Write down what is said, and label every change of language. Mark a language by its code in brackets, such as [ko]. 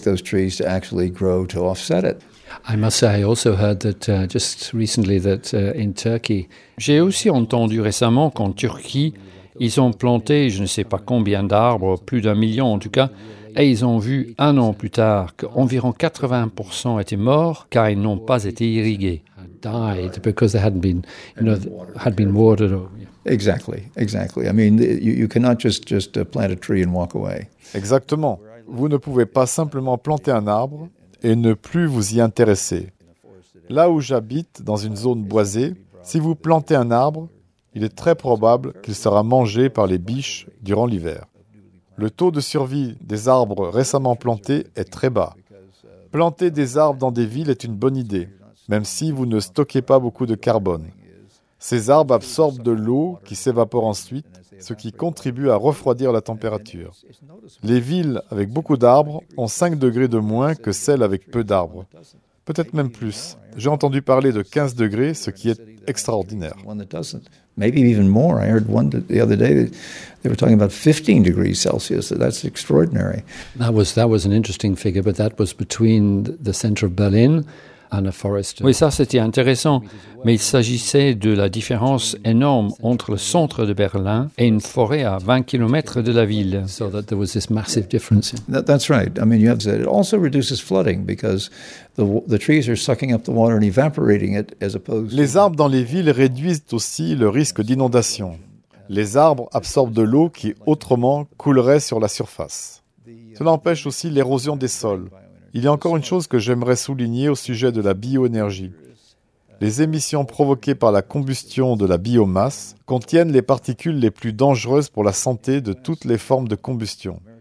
[en] I must say, I also heard that just recently that in Turkey. [fr] J'ai aussi entendu récemment qu'en Turquie, ils ont planté je ne sais pas combien d'arbres, plus d'un million en tout cas, et ils ont vu un an plus tard qu'environ 80% étaient morts car ils n'ont pas été irrigués. [en] Died because they hadn't been, you know, had been watered. Exactly, exactly. I mean, you cannot just plant a tree and walk away. [fr] Exactement. Vous ne pouvez pas simplement planter un arbre et ne plus vous y intéresser. Là où j'habite, dans une zone boisée, si vous plantez un arbre, il est très probable qu'il sera mangé par les biches durant l'hiver. Le taux de survie des arbres récemment plantés est très bas. Planter des arbres dans des villes est une bonne idée, même si vous ne stockez pas beaucoup de carbone. Ces arbres absorbent de l'eau qui s'évapore ensuite, ce qui contribue à refroidir la température. Les villes avec beaucoup d'arbres ont 5 degrés de moins que celles avec peu d'arbres. Peut-être même plus. J'ai entendu parler de 15 degrés, ce qui est extraordinaire. [en] Maybe even more. I heard one the other day that they were talking about 15 degrees Celsius. That's extraordinary. That was an interesting figure, but that was between the center of Berlin. [fr] Oui, ça, c'était intéressant, mais il s'agissait de la différence énorme entre le centre de Berlin et une forêt à 20 km de la ville. [en] So that there was this massive difference. That's right. I mean, you have said it also reduces flooding because the trees are sucking up the water and evaporating it as opposed. [fr] Les arbres dans les villes réduisent aussi le risque d'inondation. Les arbres absorbent de l'eau qui autrement coulerait sur la surface. Cela empêche aussi l'érosion des sols. Il y a encore une chose que j'aimerais souligner au sujet de la bioénergie. Les émissions provoquées par la combustion de la biomasse contiennent les particules les plus dangereuses pour la santé de toutes les formes de combustion.